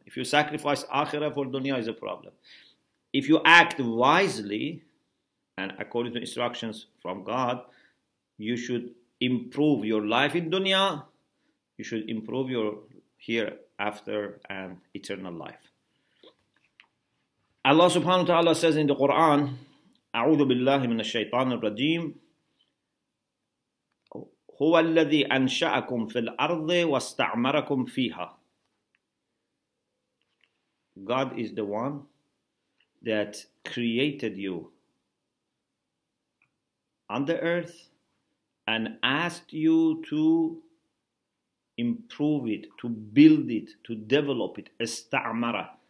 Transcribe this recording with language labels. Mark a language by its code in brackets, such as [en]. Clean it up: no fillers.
[en] If you sacrifice akhirah for dunya, is a problem. If you act wisely and according to instructions from God, you should improve your life in dunya. You should improve your hereafter and eternal life. [ar] Allah subhanahu wa ta'ala [en] says in the Quran, [ar] أعوذ بالله من الشيطان الرجيم هو الذي أنشأكم في الأرض واستعمركم فيها. [en] God is the one that created you on the earth and asked you to improve it, to build it, to develop it. Istamara.